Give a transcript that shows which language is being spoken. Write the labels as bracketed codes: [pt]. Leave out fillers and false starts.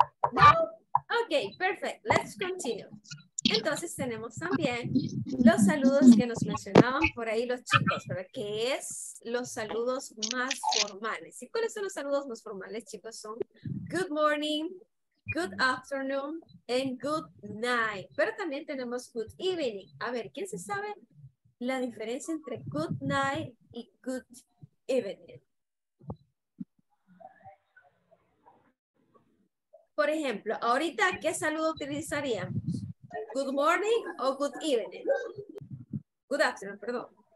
[en] Ok, perfect. Let's continue. [es] Entonces tenemos también los saludos que nos mencionaban por ahí los chicos, ¿verdad? ¿Qué es los saludos más formales? ¿Y cuáles son los saludos más formales, chicos? [en] Son good morning, good afternoon, and good night. [es] Pero también tenemos good evening. A ver, ¿quién se sabe la diferencia entre good night y good evening? Por ejemplo, ahorita, ¿qué saludo utilizaríamos? ¿Good morning o good evening? Good afternoon, perdón.